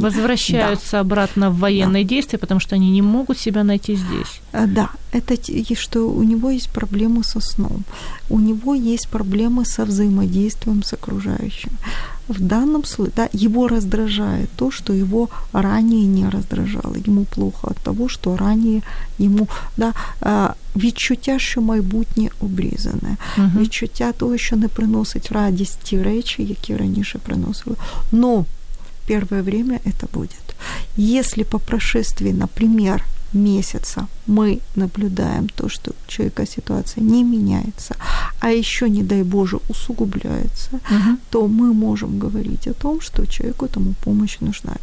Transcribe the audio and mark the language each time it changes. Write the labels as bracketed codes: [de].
[ru] Возвращаются, да, обратно в военные, да, действия, потому что они не могут себя найти здесь. Да, это что у него есть проблемы со сном, у него есть проблемы со взаимодействием с окружающим. В данном случае, да, его раздражает то, что его ранее не раздражало. Ему плохо от того, что ранее ему, [uk] да, відчуття, що майбутнє обрізане, відчуття того, що не приносить радість ті речі, які раніше приносили. [ru] Но первое время это будет. Если по прошествии, например, месяца мы наблюдаем то, что у человека ситуация не меняется, а еще, не дай Боже, усугубляется, то мы можем говорить о том, что человеку этому помощь нужна.